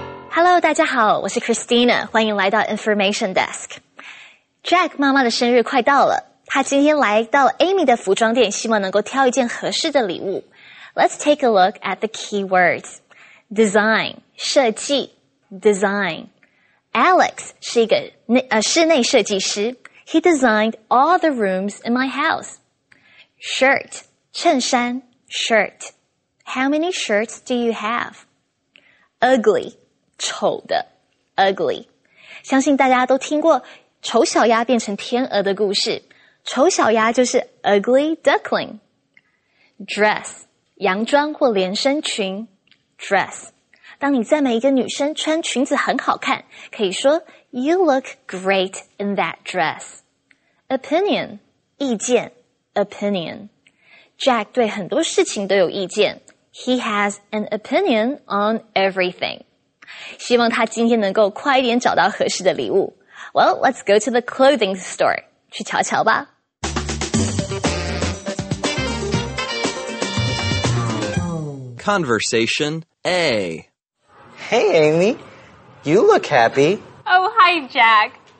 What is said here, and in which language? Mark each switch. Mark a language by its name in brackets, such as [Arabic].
[Chinese] Hello, 大家好，我是 Christina， 欢迎来到 information desk。 Jack 妈妈的生日快到了，她今天来到 Amy 的服装店，希望能够挑一件合适的礼物。 [English] Let's take a look at the keywords. Design, 设计 design. Alex [Chinese] 是一个室内设计师 [English] He designed all the rooms in my house. Shirt, 衬衫 shirt. How many shirts do you have? Ugly, 丑的 ugly. [Chinese] 相信大家都听过丑小鸭变成天鹅的故事。丑小鸭就是 [English] ugly duckling. [Chinese] Dress, 洋装或连身裙Dress. 当你赞美一个女生穿裙子很好看，可以说 [English] You look great in that dress. Opinion. 意见 Opinion. [Chinese] Jack 对很多事情都有意见。 [English] He has an opinion on everything. [Chinese] 希望他今天能够快一点找到合适的礼物。 [English] Well, let's go to the clothing store. [Chinese] 去瞧瞧吧。 [English] Conversation A. Hey, Amy. You look happy. Oh, hi, Jack.